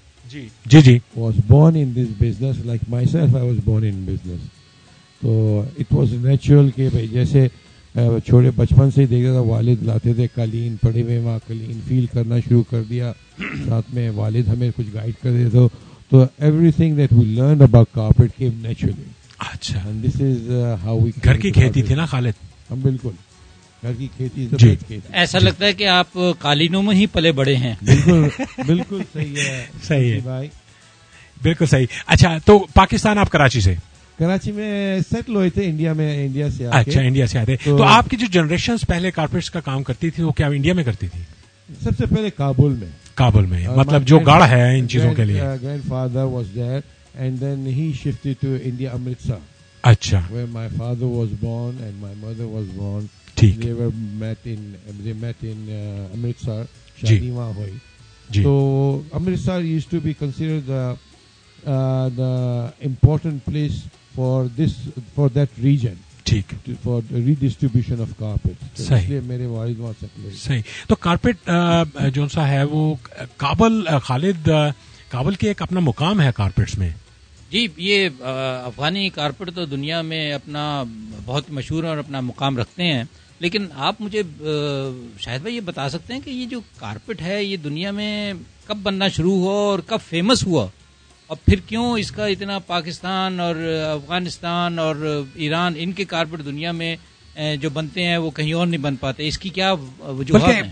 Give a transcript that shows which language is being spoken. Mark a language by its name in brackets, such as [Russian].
[Urdu] جی جی [English] Was born in this business like myself I was born in business. [Urdu] تو [English] it was natural [Urdu] کہ بھائی جیسے چھوٹے بچپن سے ہی دیکھ رہا تھا، والد لاتے تھے قالین پڑے ہوئے، وہاں قالین فیل کرنا شروع کر دیا، ساتھ میں والد ہمیں کچھ گائڈ کر دیتے تھے. [English] تو everything that we learn about carpet came naturally. [Urdu] اچھا [English] this is how we [Urdu] گھر کی کھیتی تھی نا خالد؟ ہم بالکل گھر کی کھیتی سے بیٹھ کے، ایسا لگتا ہے کہ آپ قالینوں میں ہی پلے بڑے ہیں. بالکل بالکل صحیح ہے بھائی، بالکل صحیح. اچھا تو پاکستان آپ کراچی سے؟ کراچی میں سیٹل ہوئے تھے انڈیا میں، انڈیا سے. اچھا انڈیا سے آئے تھے. تو آپ کی جو جنریشن پہلے کارپٹس کا کام کرتی تھی وہ کیا انڈیا میں کرتی تھی؟ سب سے پہلے کابل میں. کابل میں مطلب جو گڑھ ہے ان چیزوں کے لیے. [English] Grandfather was there and then he shifted to India Amritsar. [Urdu] اچھا [English] Where my father was born and my mother was born. [Urdu] ٹھیک [English] They were met in, they met in Amritsar. [Urdu] شادی وہاں ہوئی. جی [English] تو Amritsar used to be considered the important place for this, for that region. [Urdu] ٹھیک [English] For redistribution of carpet. [Urdu] میرے والد وہاں سے پلے. صحیح تو کارپیٹ جو سا ہے وہ کابل، خالد کابل کے ایک اپنا مقام ہے کارپیٹس میں. جی یہ افغانی کارپیٹ تو دنیا میں اپنا بہت مشہور اور اپنا مقام رکھتے ہیں، لیکن آپ مجھے شاہد بھائی یہ بتا سکتے ہیں کہ یہ جو کارپیٹ ہے یہ دنیا میں کب بننا شروع ہوا اور کب فیمس ہوا، اور پھر کیوں اس کا اتنا پاکستان اور افغانستان اور ایران ان کے کارپٹ دنیا میں جو بنتے ہیں وہ کہیں اور نہیں بن پاتے، اس کی کیا وجوہات ہیں؟